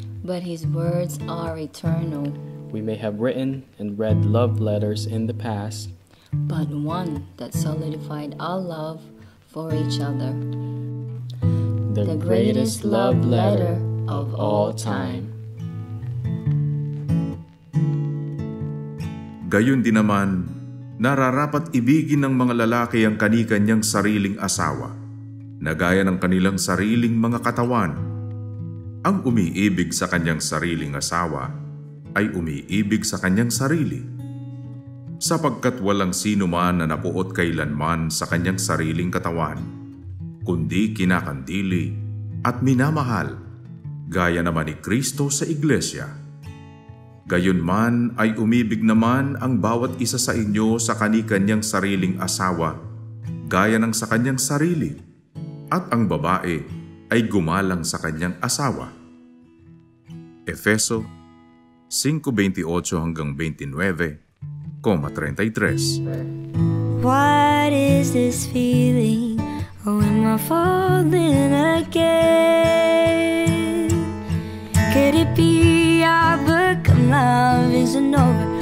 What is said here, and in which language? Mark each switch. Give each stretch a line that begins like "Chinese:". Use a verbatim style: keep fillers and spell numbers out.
English: but his words are eternal. We may have written and read love letters in the past, but one that solidified our love for each other. The, the greatest love letter of all time.
Filipino: Gayun din naman, nararapat ibigin ng mga lalaki ang kanikanyang sariling asawa, na gaya ng kanilang sariling mga katawan. Ang umiibig sa kanyang sariling asawa ay umiibig sa kanyang sarili, sapagkat walang sino man na napuot kailanman sa kanyang sariling katawan, kundi kinakandili at minamahal, gaya naman ni Kristo sa Iglesia. Gayunman ay umibig naman ang bawat isa sa inyo sa kanikanyang sariling asawa, gaya ng sa kanyang sarili, at ang babae ay gumalang sa kanyang asawa.
English: Efeso five twenty-eight to twenty-nine thirty-three. What is this feeling? Oh, am I falling again? Could it be our book of love isn't over?